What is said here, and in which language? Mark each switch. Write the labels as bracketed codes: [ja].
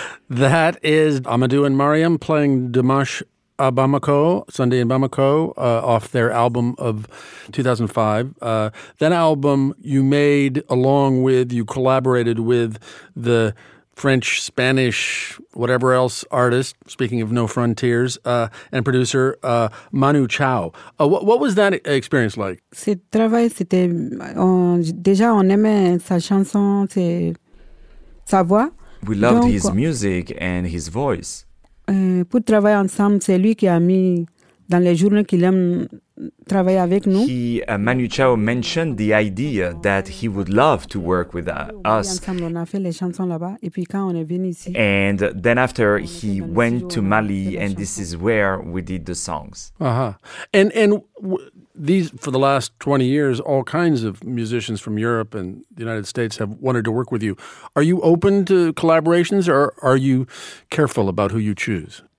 [en] That is Amadou and Mariam playing Dimanche à Bamako, Sunday in Bamako, off their album of 2005. That album you made along with, you collaborated with the French, Spanish, whatever else artist, speaking of No Frontiers, and producer Manu Chao. What was that experience like? [fr] Ce travail, c'était déjà on aimait sa chanson, sa voix. [en] We loved his music and his voice. [fr] Pour travailler ensemble, c'est lui qui a mis dans les journaux qu'il aime travailler avec nous. [en] Manu Chao mentioned the idea that he would love to work with us. [fr] Ensemble, on a fait les chansons là-bas, et puis quand on est venu ici. [en] And then after he went to Mali, and this is where we did the songs. Uh-huh. These, for the last 20 years, all kinds of musicians from Europe and the United States have wanted to work with you. Are you open to collaborations or are you careful about who you choose?